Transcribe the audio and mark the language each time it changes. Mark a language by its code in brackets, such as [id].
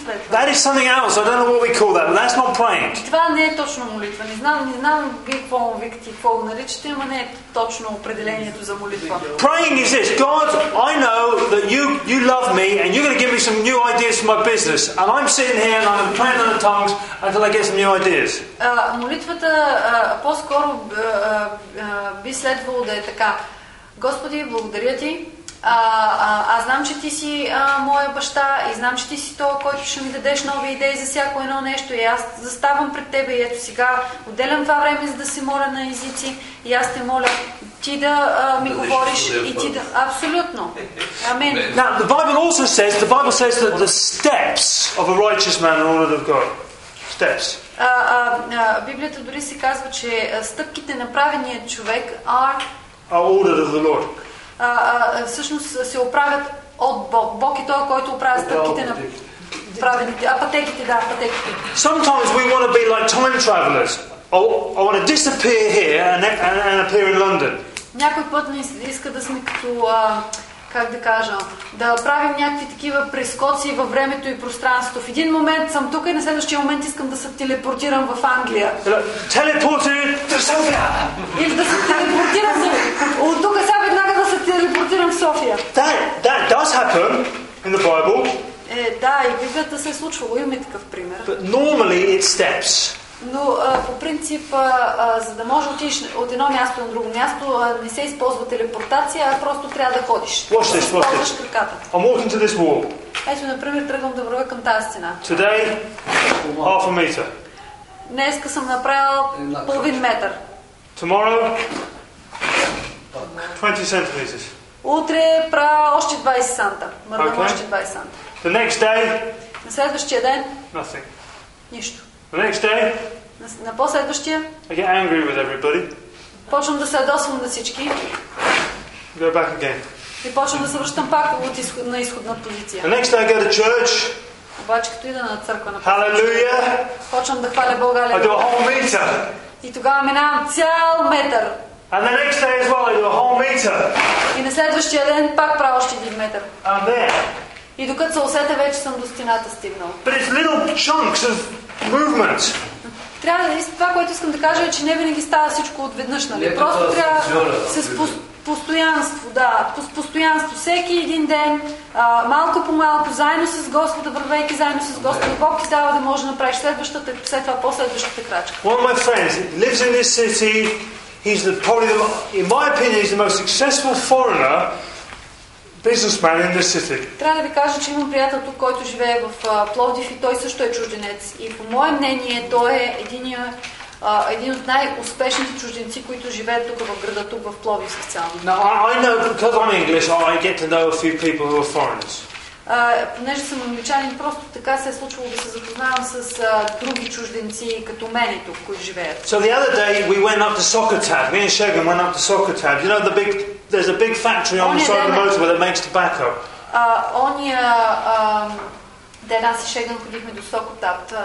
[en] That is something else. I don't know what we call that, but that's not praying. [bg] Това не е точно молитва. Не знам какво викти, какво наричате, но не е точно определението за молитва. [en] Praying is this. God, I know that you love me and you're going to give me some new ideas for my business. And I'm sitting here and I'm praying in the tongues until I get some new ideas. [bg] Молитвата по-скоро би следвало да е така. Господи, благодаря ти. Аз знам, че ти си моя баща и знам, че ти си той, който ще ми дадеш нови идеи за всяко едно нещо и аз заставам пред тебе и ето сега отделям това време, за да се моля на езици и аз те моля ти да ми говориш и ти да... Абсолютно! Амин! [en] Now, the Bible also says, that the steps of a righteous man are ordered of God. Steps. [bg] Библията дори си казва, че стъпките на праведния човек [en] are ordered of the Lord. [bg] Всъщност се оправят от Бог. Бог е той, който оправя стъпките на праведните. Апатеките. [en] Sometimes we want to be like time travelers. I want to disappear here and appear in London. [bg] Някой път не иска да сме като, как да кажа, да правим някакви такива прескоци във времето и пространството. В един момент съм тук и на следващия момент искам да се телепортирам в Англия. Телепортирам се от тук сега веднага да се телепортирам в София. [en] That does happen in the Bible. [bg] Да, и Библията се е случвало, имаме такъв пример. [en] But normally it steps. [bg] Но по принцип, за да можеш отиш от едно място на друго място, не се използва телепортация, а просто трябва да ходиш. [en] Watch this. I'm walking to this wall. [bg] Ето, например, тръгвам да вървя към тази стена. [en] Today, half a meter. [bg] Днеска съм направил половин метър. [en] Tomorrow, 20 centimeters. [bg] Утре правя още 20 санта. Мърдам okay. още 20 санта. [en] The next day. [bg] На следващия ден. [en] Nothing. [bg] Нищо. [en] The next day. [bg] На последващия. [en] I get angry with everybody. [bg] Почвам да се ядосвам на всички. [en] Go back again. [bg] И почвам да се връщам пак от изход, на изходна позиция. [en] The next day I go to church. [bg] Обаче като ида на църква на Халелуя. Почвам да хваля България. [en] I do a whole meter. [bg] И тогава минавам цял метър. [en] And the next day as well, I do a whole meter. [bg] И на следващия ден пак правя още един метър. [en] And there. [bg] И докато се усетя, вече съм до стената стигнал. But it's little chunks of movement. Трябва да виждате това, което искам да кажа, е, че не винаги става всичко отведнъж, нали? Просто трябва с постоянство, да, с постоянство. Всеки един ден, малко по малко, заедно с Господа, вървейки заедно с Господа, Бог ти дава да може да направиш следващата, след това по-следващата крачка. [en] One of my friends lives in this city. He's the probably, the, in my opinion, he's the most successful foreigner businessman in this city. [bg] Трябва да ви кажа, че имам приятел тук, който живее в Пловдив и той също е чужденец. И по мое мнение, той е един от най-успешните чужденци, които живеят тук в града, тук в Пловдив специално. [en] Now, I know, because I'm English, I get to know a few people who are foreigners. [bg] Понеже съм англичанин, просто така се е случвало да се запознавам с други чужденци като мен тук, които живеят. [en] So the other day we went up to Sokotab. Me and Shagan went up to Sokotab. You know the big, there's a big factory on the side of the motorway that makes tobacco. [bg] Ония ден аз и Шеган ходихме до Sokotab.